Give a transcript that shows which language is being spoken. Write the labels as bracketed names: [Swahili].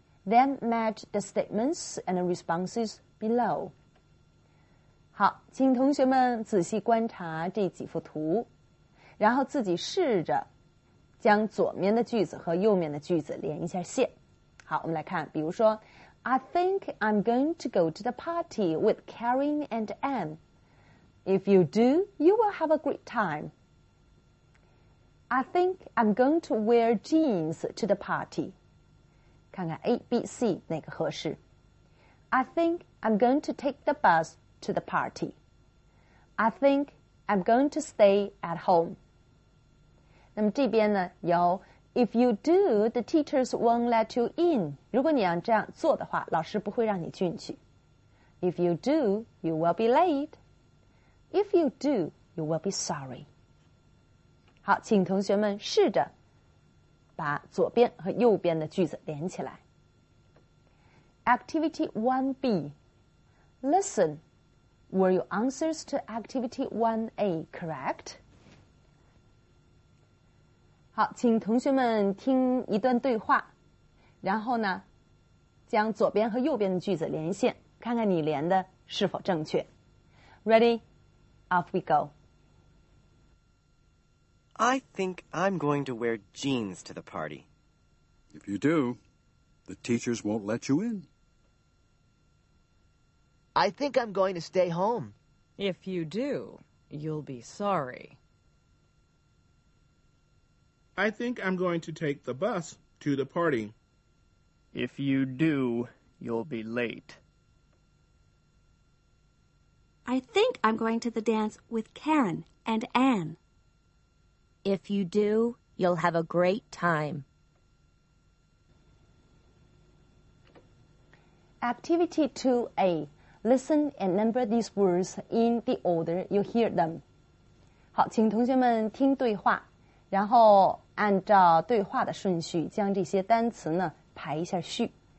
[English] Then match the statements and responses below. [Chinese] 好，请同学们仔细观察这几幅图，然后自己试着将左面的句子和右面的句子连一下线。好，我们来看，比如说 [English] I think I'm going to go to the party with Karen and Anne. If you do, you will have a great time. I think I'm going to wear jeans to the party. [Chinese] 看看 ABC 哪个合适。 [English] I think I'm going to take the bus to the party. I think I'm going to stay at home. [Chinese] 那么这边呢，有 [English] If you do, the teachers won't let you in. [Chinese] 如果你要这样做的话，老师不会让你进去。 [English] If you do, you will be late. If you do, you will be sorry. [Chinese] 好，请同学们试着把左边和右边的句子连起来。 [English] Activity 1B. Listen. Were your answers to Activity 1A correct? [Chinese] 好，请同学们听一段对话，然后呢，将左边和右边的句子连线，看看你连的是否正确。 [English] Ready? Off we go. I think I'm going to wear jeans to the party. If you do, the teachers won't let you in. I think I'm going to stay home. If you do, you'll be sorry. I think I'm going to take the bus to the party. If you do, you'll be late. I think I'm going to the dance with Karen and Anne. If you do, you'll have a great time. Activity 2A. Listen and number these words in the order you hear them. [Chinese] 好，请同学们听对话，然后按照对话的顺序将这些单词呢排一下序。